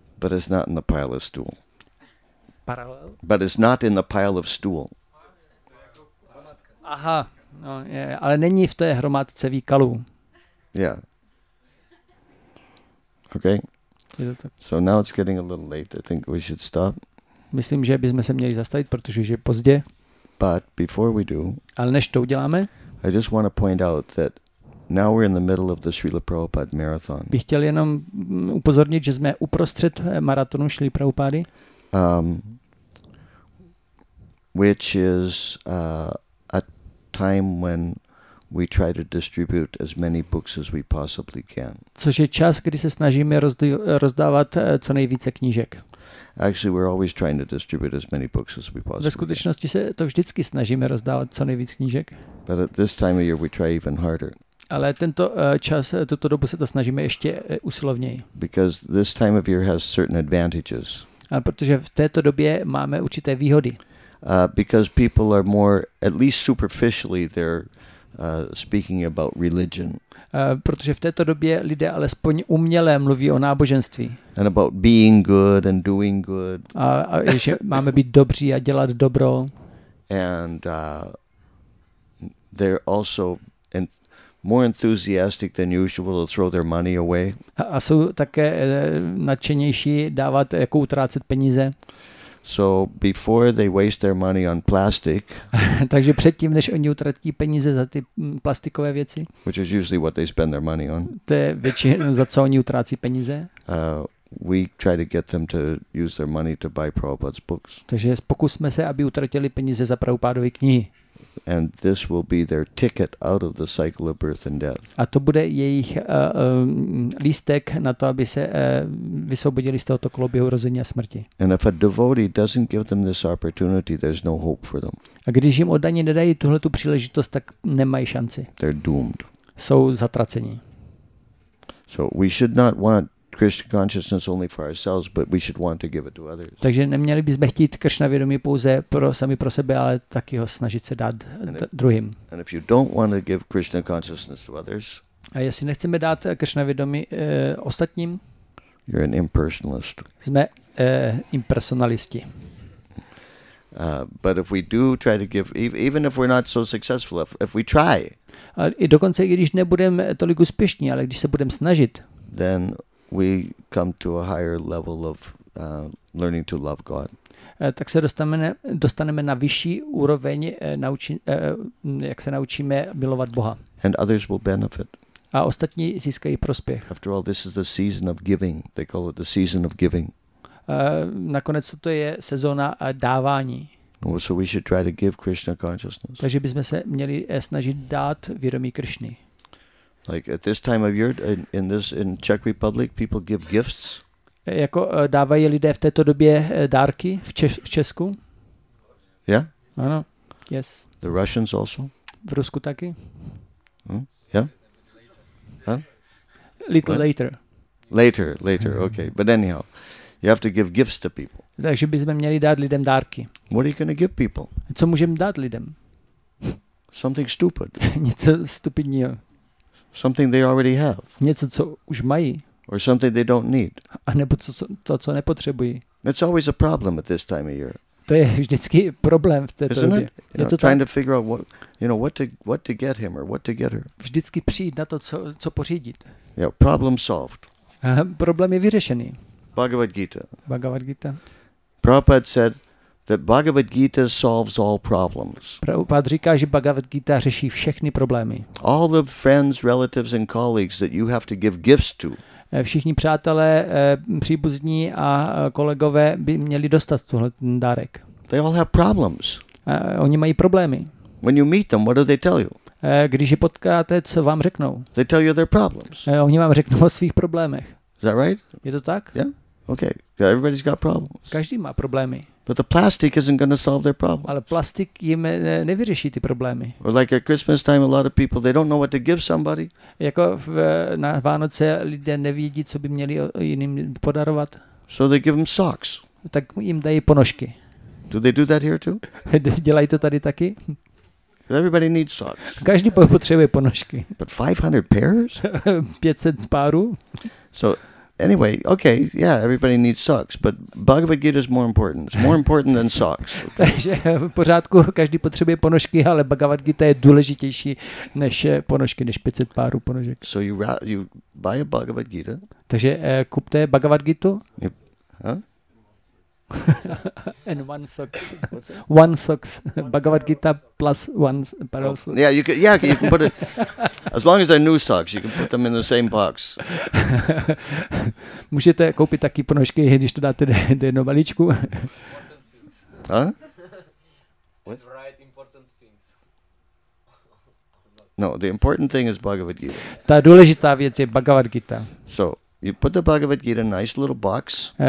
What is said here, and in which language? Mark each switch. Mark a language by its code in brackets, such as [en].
[en] But it's not in the pile of stool. [cs] Paralel? [en] But it's not in the pile of stool. [cs] Aha, no, je, ale není v té hromadce výkalů. [en] Yeah. Okay. [cs] Je to tak. [en] So now it's getting a little late. I think we should stop. [cs] Myslím, že bychom se měli zastavit, protože je pozdě. [en] But before we do. [cs] Ale než to uděláme. [en] I just want to point out that now we're in the middle of the Srila Prabhupada marathon. [cs] Bych chtěl jenom upozornit, že jsme uprostřed maratonu Srila Prabhupady. [en] Which is a time when we try to distribute as many books as we possibly can. [cs] Což je čas, kdy se snažíme rozdávat co nejvíce knížek. [en] Actually, we're always trying to distribute as many books as we possibly. [cs] Ve skutečnosti se to vždycky snažíme rozdávat co nejvíce knížek. [en] But at this time of year we try even harder. [cs] Ale tento čas, tuto dobu se to snažíme ještě usilovněji. [en] Because this time of year has certain advantages. [cs] Protože v této době máme určité výhody. [en] Because people are more, at least superficially, they're speaking about religion. [cs] Protože v této době lidé alespoň uměle mluví o náboženství. [en] And about being good and doing good. [cs] A že máme být dobří a dělat dobro. [en] And they're also more enthusiastic than usual to throw their money away. [cs] A jsou také nadšenější dávat jako utrácet peníze. [en] So before they waste their money on plastic. [cs] Takže předtím, než oni utratí peníze za ty plastikové věci. [en] Which is usually what they spend their money on. [cs] To je většinou za co oni utrácí peníze. [en] We try to get them to use their money to buy Prabhupada's books. [cs] Takže pokusme se, aby utratili peníze za Prabhupádovy knihy. [en] And this will be their ticket out of the cycle of birth and death. [cs] A to bude jejich lístek na to, aby se vysvobodili z tohoto koloběhu rození a smrti. [en] And if a devotee doesn't give them this opportunity, there's no hope for them. [cs] A když jim oddaní nedají tuhle tu příležitost, tak nemají šanci. [en] They're doomed. [cs] Jsou zatracení. [en] So we should not want Krishna consciousness only for ourselves, but we should want to give it to others. [cs] Takže neměli bychom chtít Krishna vědomí pouze pro sami pro sebe, ale taky ho snažit se dát druhým. [en] And if you don't want to give Krishna consciousness to others, [cs] a jestli nechceme dát Krishna vědomí ostatním, [en] you're an impersonalist. [cs] Jsme impersonalisti. [en] But if we do try to give, even if we're not so successful, if we try, [cs] a i dokonce i když nebudeme tolik úspěšní, ale když se budeme snažit, [en] then we come to a higher level of learning to love God. [cs] Tak se dostaneme na vyšší úroveň, jak se naučíme milovat Boha. [en] And others will benefit. [cs] A ostatní získají prospěch. [en] After all, this is the season of giving. They call it the season of giving. [cs] Nakonec to je sezóna dávání. [en] So we should try to give Krishna consciousness. [cs] Takže bychom se měli snažit dát vědomí Krishny. [en] Like at this time of year in Czech Republic people give gifts. [cs] Jako dávají lidé v této době dárky v Česku? [en] Yeah? [cs] Ano. [en] Yes. The Russians also? [cs] V Rusku taky? [en] Yeah? Huh? Little what? Later. Later, okay. But anyhow, you have to give gifts to people. [cs] Takže bychom měli dát lidem dárky. [en] What are you going to give people? [cs] Co můžeme dát lidem? [en] Something stupid. [cs] Něco stupidního. [en] Something they already have. [cs] Něco, co už mají. [en] Or something they don't need. [cs] A nebo co nepotřebují. [en] It's always a problem at this time of year. [cs] To je vždycky problém v této době. Je to [en] trying to figure out what, you know, what to get him or what to get her. [cs] Vždycky přijít na to, co pořídit. [en] Yeah, problem solved. [cs] Problém je vyřešený. [en] Bhagavad Gita. [cs] Bhagavad Gita. [en] Prabhupada said that Bhagavad Gita solves all problems. [cs] Prabhupada říká, že Bhagavad Gita řeší všechny problémy. [en] All the friends, relatives and colleagues that you have to give gifts to. [cs] Všichni přátelé, příbuzní a kolegové by měli dostat tuhle ten dárek. [en] They all have problems. [cs] Oni mají problémy. [en] When you meet them, what do they tell you? [cs] Když je potkáte, co vám řeknou? [en] They tell you their problems. [cs] Oni vám řeknou o svých problémech. [en] Is that right? [cs] Je to tak? [en] Yeah. Okay. Everybody's got problems. [cs] Každý má problémy. [en] But the plastic isn't going to solve their problems. [cs] Ale plastik jim nevyřeší ty problémy. [en] Or like at Christmas time, a lot of people they don't know what to give somebody. [cs] Jako na Vánoce lidé nevědí, co by měli jiným podarovat. [en] So they give them socks. [cs] Tak jim dají ponožky. [en] Do they do that here too? [cs] Dělají to tady taky? [en] Everybody needs socks. [cs] Každý potřebuje ponožky. [en] But 500 pairs? [cs] 500 párů? [en] So anyway, okay, yeah, everybody needs socks, but Bhagavad Gita is more important. It's more important than socks. [cs] Takže v pořádku, každý potřebuje ponožky, ale Bhagavad Gita je důležitější než ponožky, než 500 párů ponožek. [en] So you buy a Bhagavad Gita. [cs] Takže kupte Bhagavad Gitu. [en] Huh? And one socks. One socks. Bhagavad Gita plus one pair of socks. Yeah, you can put it. As long as they're new socks, you can put them in the same box. [cs] Můžete koupit taky ponožky, když to dáte do jednoho balíčku. [en] Huh? What? Right, important things. No, the important thing is Bhagavad Gita. [cs] Ta důležitá věc je Bhagavad Gita. [en] So, You put the Bhagavad Gita in a nice little box.